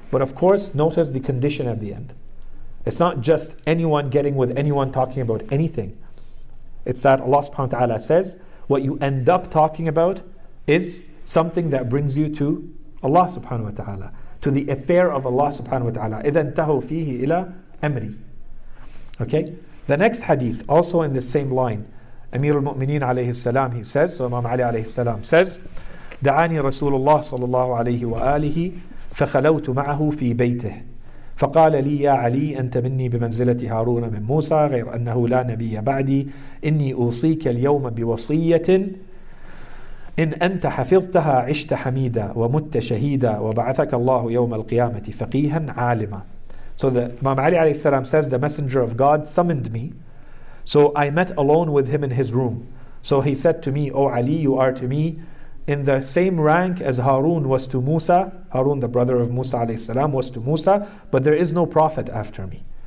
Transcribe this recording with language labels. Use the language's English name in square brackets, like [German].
[English] But of course, notice the condition at the end. It's not just anyone getting with anyone talking about anything. It's that Allah subhanahu wa ta'ala says, what you end up talking about is something that brings you to Allah subhanahu wa ta'ala, to the affair of Allah subhanahu wa ta'ala. [Arabic] إِذَا انْتَهُوا فِيهِ إِلَىٰ أَمْرِي. [English] Okay? The next hadith, also in the same line, Amir al-Mu'mineen alayhi salam, he says, so Imam Ali alayhi salam says, [Arabic] دَعَانِي رَسُولُ اللَّهِ صَلَى اللَّهُ عَلَيْهِ وَآلِهِ فَخَلَوْتُ مَعَهُ فِي بَيْتِهِ فقال لي يا علي أنت مني بمنزلة هارون من موسى غير أنه لا نبي بعدي إني أوصيك اليوم بوصية إن أنت حفظتها عشت حميدا ومت شهيدا وبعثك الله يوم القيامة فقيها عالما. [English] So the Imam Ali alayhi salam says, the messenger of God summoned me, so I met alone with him in his room. So he said to me, O Ali, you are to me in the same rank as Harun was to Musa. Harun, the brother of Musa alayhi salam, was to Musa, but there is no prophet after me.